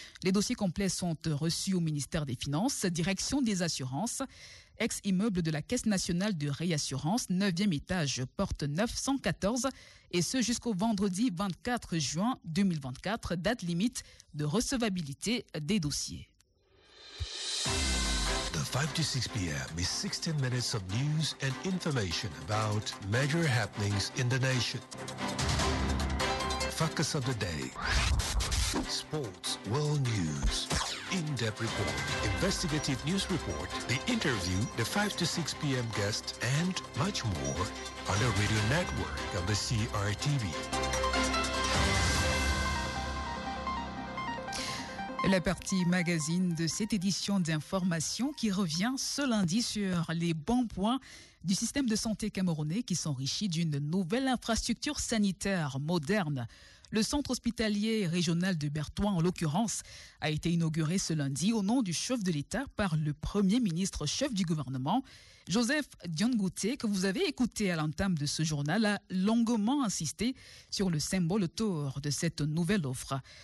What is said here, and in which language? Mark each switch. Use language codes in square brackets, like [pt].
[fr] Les dossiers complets sont reçus au ministère des Finances, direction des assurances, ex-immeuble de la Caisse nationale de réassurance, 9e étage, porte 914, et ce jusqu'au vendredi 24 juin 2024, date limite de recevabilité des dossiers. [en] The 5 to 6 p.m. is 16 minutes of news and information about major happenings in the nation. Focus of the day. Sports World News. In-depth report, investigative news report, the interview, the 5 to 6 p.m. guest, and much more on the radio network of the CRTV. [fr] La partie magazine de cette édition d'information qui revient ce lundi sur les bons points du système de santé camerounais qui s'enrichit d'une nouvelle infrastructure sanitaire moderne. Le centre hospitalier régional de Bertois, en l'occurrence, a été inauguré ce lundi au nom du chef de l'État par le premier ministre chef du gouvernement, Joseph Diongouté, que vous avez écouté à l'entame de ce journal, a longuement insisté sur le symbole autour de cette nouvelle offre.